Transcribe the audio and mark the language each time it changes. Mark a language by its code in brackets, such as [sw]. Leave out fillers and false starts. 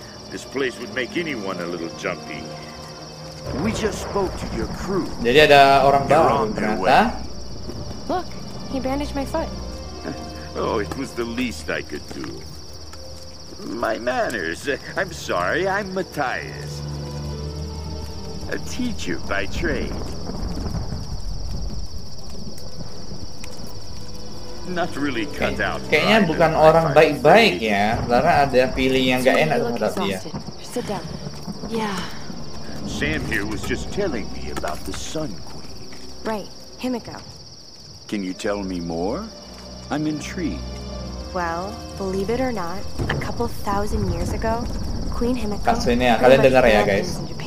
[en] This place would make anyone a little jumpy. We just spoke to your crew. [id] Jadi ada orang baru ternyata. [en] Look, he bandaged my foot. Oh, it was the least I could do. My manners. I'm sorry, I'm Matthias. A teacher by trade. not really cut out. [id] Kayaknya bukan orang baik-baik ya. Lara ada feeling yang enggak enak terhadap dia. [en] Sit down. Yeah. Sam here was just telling me about the Sun Queen. Right, Himiko. Can you tell me more? I'm intrigued. Well, believe it or not, a couple thousand years ago, Queen Himiko. [id] Kasusnya, kalian dengar ya, guys.